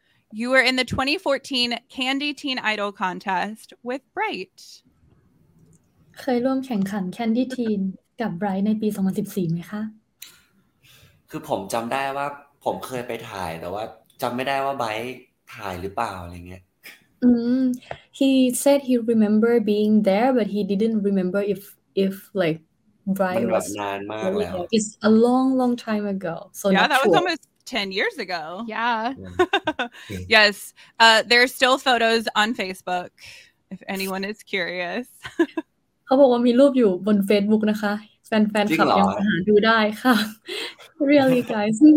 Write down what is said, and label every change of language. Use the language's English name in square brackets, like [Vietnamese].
[English] You were in the 2014 Candy Teen Idol contest with Bright. [Thai] เคยร่วมแข่งขัน Candy Teen กับ Bright ในปี2014ไหมคะ คือผมจำได้ว่าผมเคยไปถ่ายแต่ว่าจำไม่ได้ว่า Bright ถ่ายหรือเปล่าอะไรเงี้ย [English] He said he remember being there, but he didn't remember if like Bright was. It's a long, long time ago. So yeah, that was almost 10 years ago. Yeah. Yes. There are still photos on Facebook. If anyone is curious. [Thai] เขาบอกว่ามีรูปอยู่บน Facebook นะคะแฟนคลับยังหาดูได้ค่ะ [English] Really guys.